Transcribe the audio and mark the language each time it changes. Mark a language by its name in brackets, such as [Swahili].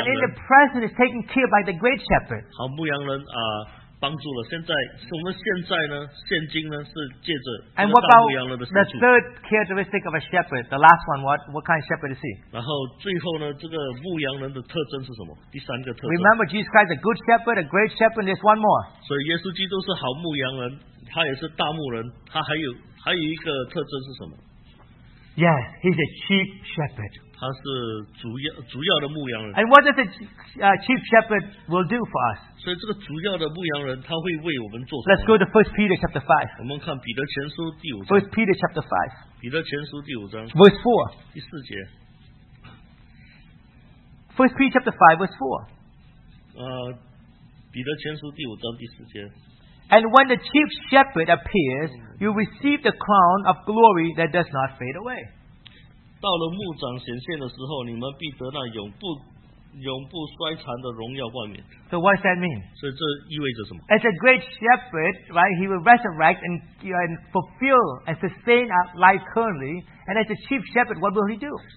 [English] And in the present is taken care by the great shepherd. [Chinese] 好牧羊人帮助了。现在我们现在呢，现今呢是借着这个大牧羊人的协助。 [English] And what about the third characteristic of a shepherd? The last one, what kind of shepherd is he? [Chinese] 然后最后呢，这个牧羊人的特征是什么？第三个特征。 [English] Remember, Jesus Christ is a good shepherd, a great shepherd. There's one more. [Chinese] 所以耶稣基督是好牧羊人，他也是大牧人。他还有一个特征是什么？ [English] Yes, he's a chief shepherd. [Chinese] 他是主要的牧羊人。And [English] what does a chief shepherd will do for us? [Chinese] 所以这个主要的牧羊人他会为我们做什么? [English] Let's go to 1 Peter chapter 5. [Chinese] 我们看彼得前书第五章。 [English] 1 Peter chapter 5. [Chinese] 彼得前书第五章。 [English] Verse 4. [Chinese] 第四节。 [English] 1 Peter chapter 5, verse 4. [Chinese] 彼得前书第五章第四节。 [English] And when the chief shepherd appears, you receive the crown of glory that does not fade away. [Chinese] 到了牧长显现的时候，你们必得那永不衰残的荣耀冠冕。 [English] So what does that mean? [Chinese] 所以这意味着什么? [English] As a great shepherd, right, he will resurrect and fulfill and sustain our life currently. And as a chief shepherd, what will he do?